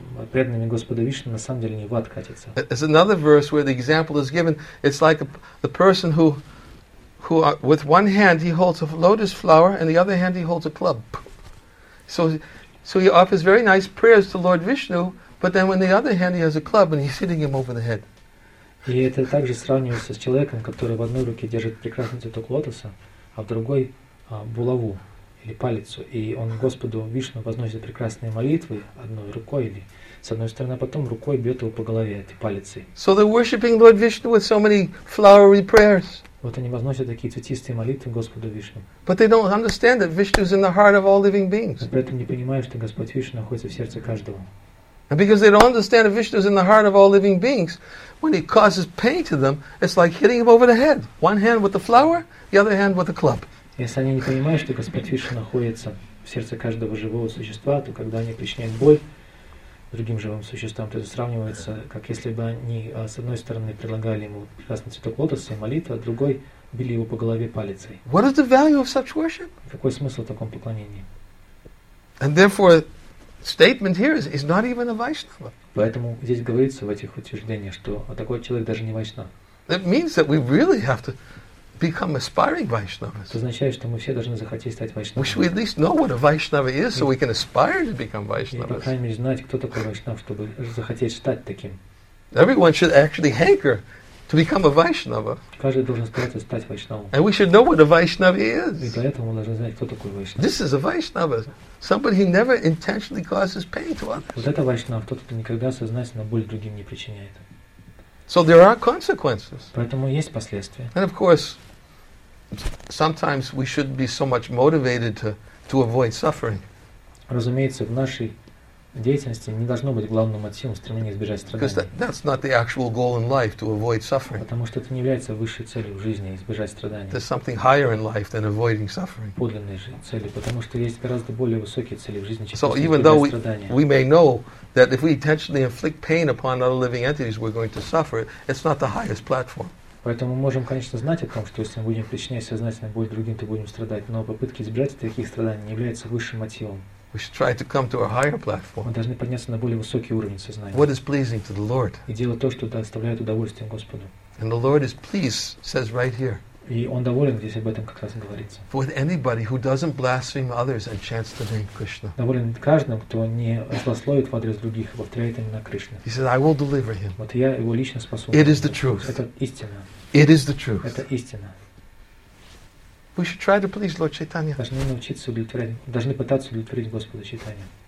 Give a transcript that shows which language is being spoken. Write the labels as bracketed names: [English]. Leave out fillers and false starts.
[Russian] преданными Господа Вишну на самом деле не в ад катится. [English] It's another verse where the example is given. It's like the person who with one hand he holds a lotus flower and the other hand he holds a club. So he offers very nice prayers to Lord Vishnu, but then when the other hand he has a club and he's hitting him over the head. [Russian] И это также сравнивается с человеком, который в одной руке держит прекрасный цветок лотоса, а в другой булаву или палицу, и он Господу Вишну возносит прекрасные молитвы одной рукой или с одной стороны, а потом рукой бьет его по голове этой палицей. [English] So they're worshiping Lord Vishnu with so many flowery prayers. [Russian] Вот они возносят такие цветистые молитвы Господу Вишну. [English] But they don't understand that Vishnu is in the heart of all living beings. [Russian] При этом не понимают, что Господь Вишну находится в сердце каждого. [English] And because they don't understand that Vishnu is in the heart of all living beings, when he causes pain to them, it's like hitting him over the head. One hand with the flower, the other hand with the club. [Russian] Если они не понимают, что Господь Вишну находится в сердце каждого живого существа, то когда они причиняют боль другим живым существам, то это сравнивается, как если бы они с одной стороны предлагали ему прекрасный цветок лотоса и молитву, а другой били его по голове палицей. [English] What is the value of such worship? [Russian] Какой смысл в таком поклонении? [English] And therefore, statement here is not even a Vaishnava. [Russian] Поэтому здесь говорится в этих утверждениях, что такой человек даже не Вайшнав. [English] It means that we really have to become aspiring Vaishnavas. [Russian] Это означает, что мы все должны захотеть стать Вайшнавами. [English] We should at least know what a Vaishnava is, so we can aspire to become Vaishnavas. [Russian] И, по крайней мере, знать, кто такой Вайшнав, чтобы захотеть стать таким. [English] Everyone should actually hanker to become a Vaishnava. [Russian] Каждый должен стараться стать Вайшнавом. [English] And we should know what a Vaishnava is. [Russian] И для этого мы должны знать, кто такой Вайшнава. [English] This is a Vaishnava. Somebody who never intentionally causes pain to others. [Russian] Вот это Вайшнава, тот, кто никогда сознательно боль другим не причиняет. [English] So there are consequences. [Russian] Поэтому есть последствия. [English] And of course, sometimes we shouldn't be so much motivated to avoid suffering. [Russian] Разумеется, в нашей деятельности не должно быть главным мотивом стремление избежать страданий. [English] Because that's not the actual goal in life, to avoid suffering. [Russian] Потому что это не является высшей целью в жизни избежать страданий. [English] There's something higher in life than avoiding suffering. [Russian] Подлинной же цели, потому что есть гораздо более высокие цели в жизни, чем избежать страданий. [English] So even though we may know that if we intentionally inflict pain upon other living entities, we're going to suffer, it's not the highest platform. [Russian] Поэтому мы можем, конечно, знать о том, что если мы будем причинять сознательную боль другим, то будем страдать. Но попытки избежать таких страданий не является высшим мотивом. [English] We should try to come to a higher platform. [Russian] Мы должны подняться на более высокий уровень сознания. [English] What is pleasing to the Lord? [Russian] И делать то, что доставляет удовольствие Господу. [English] And the Lord is pleased, says right here. [Russian] И Он доволен, здесь об этом как раз говорится. [English] With anybody who doesn't blaspheme others and chants the name Krishna. [Russian] Доволен каждым, кто не злословит в адрес других и повторяет имена Кришны. [English] He says, "I will deliver him." [Russian] Вот я его лично спасу. [English] It is the truth. [Russian] Это истина. [English] It is the truth. [Russian] Это истина. [English] We should try to please Lord Chaitanya. [Russian] Должны научиться удовлетворять, должны пытаться удовлетворить Господа Чайтанья.